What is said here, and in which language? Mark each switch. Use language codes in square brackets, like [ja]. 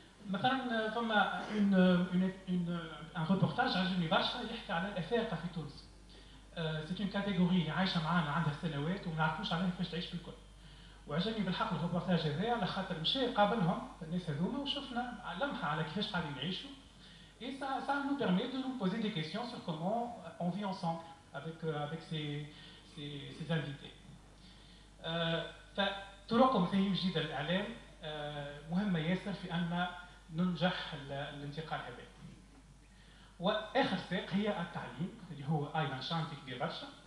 [ar] مثلاً فما ان ريبورتاج عجبني برشا يحكي على الإفاقة في تونس. سي اون كاتيغوري اللي عايشة معانا عندها سنوات وما نعرفوش عليها كيفاش تعيش بالكل. وعجبني بالحق الريبورتاج هذايا على خاطر مشى قابلهم الناس هذوما وشفنا لمحة على كيفاش قاعدين يعيشوا. [fr] Et ça nous permet de nous poser des questions sur comment on vit ensemble avec, avec ces invités. [ar] طرق مهمة جدا للإعلام مهمة ياسر في أن ننجح الانتقال هذا. وآخر ساق هي التعليم اللي هو أيضا شانتي كبير برشا.